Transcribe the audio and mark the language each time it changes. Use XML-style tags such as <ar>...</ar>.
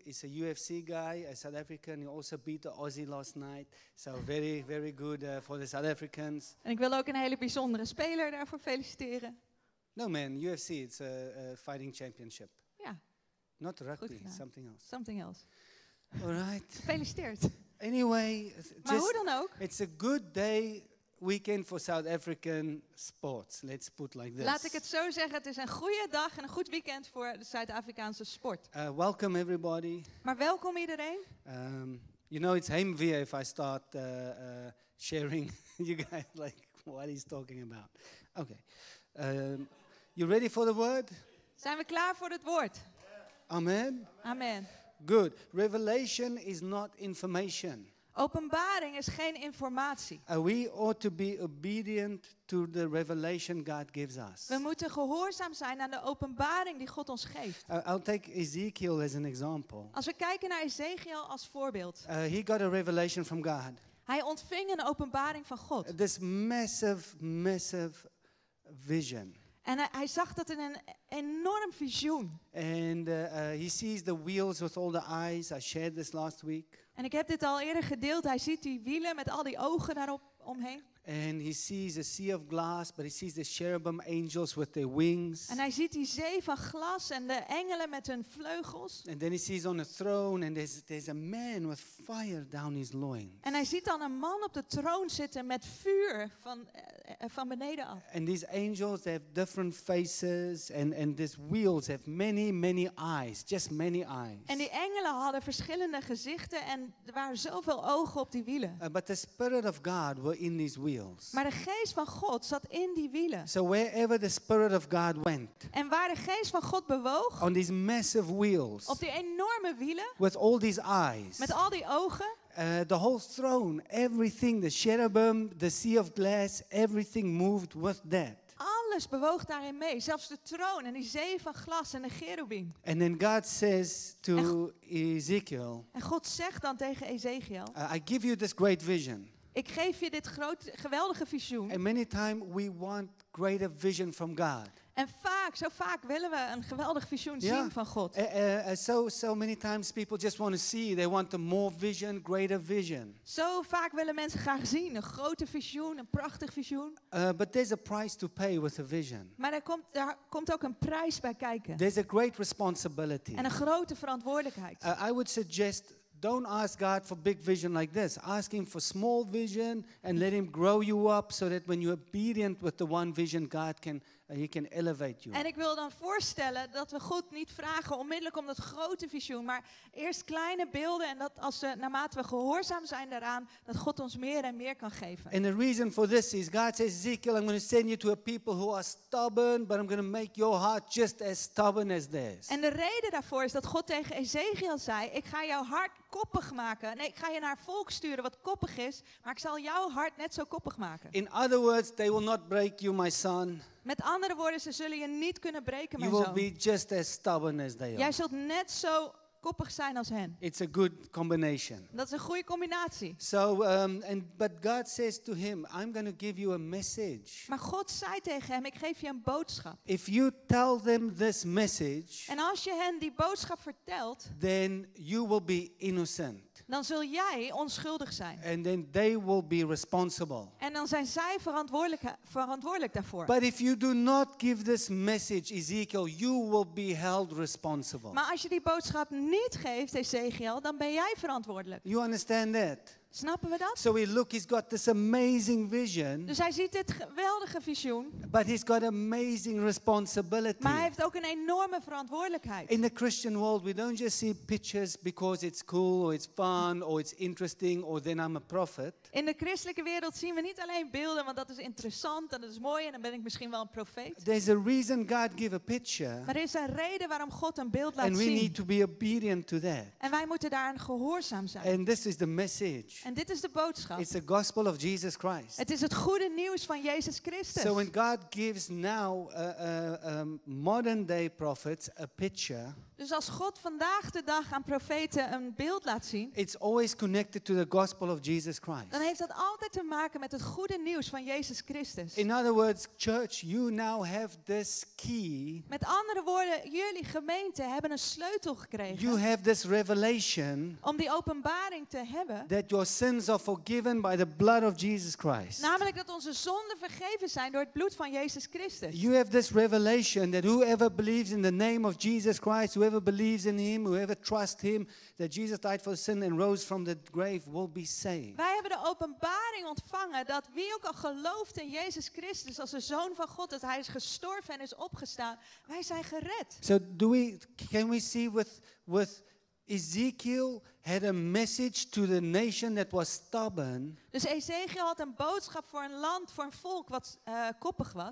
<en>He's a UFC guy, a South African. He also beat the Aussie last night. So very, very good for the South Africans.</en> <nl>En ik wil ook een hele bijzondere speler daarvoor feliciteren.</nl> <en>No man, UFC, it's a fighting championship.</en> <nl>Ja.</nl> <en>Not rugby, something else. Something else. All right.</en> <nl>Gefeliciteerd.</nl> <en>Anyway,</en> <nl>maar hoe dan ook.</nl> <en>It's a good day weekend for South African sports. Let's put like this.</en> <nl>Laat ik het zo zeggen, het is een goede dag en een goed weekend voor de Zuid-Afrikaanse sport.</nl> <en>Welcome everybody.</en> <nl>Maar welkom iedereen.</nl> <en>You know it's heimwee if I start sharing you guys like what he's talking about. Okay. You ready for the word?</en> <nl>Zijn we klaar voor het woord?</nl> <en>Amen. Amen. Good. Revelation is not information.</en> <nl>Openbaring is geen informatie.</nl> <en>We ought to be obedient to the revelation God gives us.</en> <nl>We moeten gehoorzaam zijn aan de openbaring die God ons geeft.</nl> <en>I'll take Ezekiel as an example.</en> <nl>Als we kijken naar Ezekiel als voorbeeld.</nl> <en>He got a revelation from God.</en> <nl>Hij ontving een openbaring van God.</nl> <en>This massive, massive vision.</en> <nl>En hij zag dat in een enorm visioen.</nl> <en>And he sees the wheels with all the eyes. I shared this last week.</en> <nl>En ik heb dit al eerder gedeeld. Hij ziet die wielen met al die ogen daarop omheen.</nl> <en>And he sees a sea of glass, but he sees the cherubim angels with their wings.</en> <nl>En hij ziet die zee van glas en de engelen met hun vleugels.</nl> <en>And then he sees on a throne and there's a man with fire down his loins.</en> <nl>En hij ziet dan een man op de troon zitten met vuur van beneden af.</nl> <en>And these angels, they have different faces and these wheels have many, many eyes, just many eyes.</en> <nl>En die engelen hadden verschillende gezichten en er waren zoveel ogen op die wielen.</nl> <en>But the spirit of God were in these wheels.</en> <nl>Maar de geest van God zat in die wielen.</nl> <en>So wherever the spirit of God went.</en> <nl>En waar de geest van God bewoog.</nl> <en>On these massive wheels.</en> <nl>Op die enorme wielen.</nl> <en>With all these eyes.</en> <nl>Met al die ogen.</nl> <en>The whole throne, everything, the cherubim, the sea of glass, everything moved with that.</en> <nl>Alles bewoog daarin mee, zelfs de troon en die zee van glas en de cherubim.</nl> <en>And then God says to Ezekiel.</en> <nl>En God zegt dan tegen Ezekiel.</nl> <en>I give you this great vision.</en> <nl>Ik geef je dit grote, geweldige visioen.</nl> <en>And many times we want greater vision from God.</en> <nl>En vaak, zo vaak willen we een geweldig visioen zien van God.</nl> <en>So many times people just want to see. They want a more vision, greater vision.</en> <nl>Zo vaak willen mensen graag zien een grote visioen, een prachtig visioen.</nl> <en>But there's a price to pay with a vision.</en> <nl>Maar daar komt ook een prijs bij kijken.</nl> <en>There's a great responsibility.</en> <nl>En een grote verantwoordelijkheid.</nl> <en>I would suggest. Don't ask God for big vision like this. Ask him for small vision and let him grow you up so that when you're obedient with the one vision, God can he can elevate you.</en> <nl>En ik wil dan voorstellen dat we God niet vragen onmiddellijk om dat grote visioen, maar eerst kleine beelden en dat als we naarmate we gehoorzaam zijn daaraan, dat God ons meer en meer kan geven.</nl> <en>And the reason for this is God says, Ezekiel, I'm going to send you to a people who are stubborn, but I'm going to make your heart just as stubborn as theirs.</en> <nl>En de reden daarvoor is dat God tegen Ezekiel zei, ik ga jouw hart koppig maken. Nee, ik ga je naar volk sturen wat koppig is, maar ik zal jouw hart net zo koppig maken.</nl> <en>In other words, they will not break you, my son.</en> <nl>Met andere woorden, ze zullen je niet kunnen breken, mijn zoon.</nl> <en>You will be just as stubborn as they are.</en> <nl>Jij zult net zo koppig zijn als hen.</nl> <en>It's a good combination.</en> <nl>Dat is een goede combinatie.</nl> <en>So, but God says to him, I'm going to give you a message.</en> <nl>Maar God zei tegen hem, ik geef je een boodschap.</nl> <en>If you tell them this message,</en> <nl>en als je hen die boodschap vertelt,</nl> <en>then you will be innocent.</en> <nl>Dan zul jij onschuldig zijn.</nl> <en>And then they will be responsible.</en> <nl>En dan zijn zij verantwoordelijk daarvoor.</nl> <en>But if you do not give this message, Ezekiel, you will be held responsible.</en> <nl>Maar als je die boodschap niet geeft, Ezekiel, dan ben jij verantwoordelijk.</nl> <en>You understand that?</en> <nl>Snappen we dat?</nl> <en>So he look, he's got this amazing vision.</en> <nl>Dus hij ziet dit geweldige visioen.</nl> <en>But he's got amazing responsibility.</en> <nl>Maar hij heeft ook een enorme verantwoordelijkheid.</nl> <en>In the Christian world, we don't just see pictures because it's cool or it's fun or it's interesting or then I'm a prophet.</en> <nl>In de christelijke wereld zien we niet alleen beelden, want dat is interessant en dat is mooi en dan ben ik misschien wel een profeet.</nl> <en>There's a reason God gave a picture.</en> <nl>Maar er is een reden waarom God een beeld laat zien.</nl> <en>And we need to be obedient to that.</en> <nl>En wij moeten daaraan gehoorzaam zijn.</nl> <en>And this is the message.</en> <nl>En dit is de boodschap.</nl> <en>It's the gospel of Jesus Christ.</en> <nl>Het is het goede nieuws van Jezus Christus.</nl> <en>So when God gives now modern day prophets a picture.</en> <nl>Dus als God vandaag de dag aan profeten een beeld laat zien.</nl> <en>It's always connected to the gospel of Jesus Christ.</en> <nl>Dan heeft dat altijd te maken met het goede nieuws van Jezus Christus.</nl> <en>In other words, church, you now have this key.</en> <nl>Met andere woorden, jullie gemeente hebben een sleutel gekregen.</nl> <en>You have this revelation.</en> <nl>Om die openbaring te hebben.</nl> <en>That your sins are forgiven by the blood of Jesus Christ.</en> <nl>Namelijk dat onze zonden vergeven zijn door het bloed van Jezus Christus.</nl> <en>You have this revelation that whoever believes in the name of Jesus Christ, whoever believes in him, whoever trusts him, that Jesus died for sin and rose from the grave, will be saved.</en> <nl>Wij hebben de openbaring ontvangen dat wie ook al gelooft in Jezus Christus als de Zoon van God, dat hij is gestorven en is opgestaan, wij zijn gered.</nl> <en>So can we see with Ezekiel had a message to the nation that was stubborn.</en> <nl>Dus Ezekiel had een boodschap voor een land, voor een volk wat koppig was.</nl>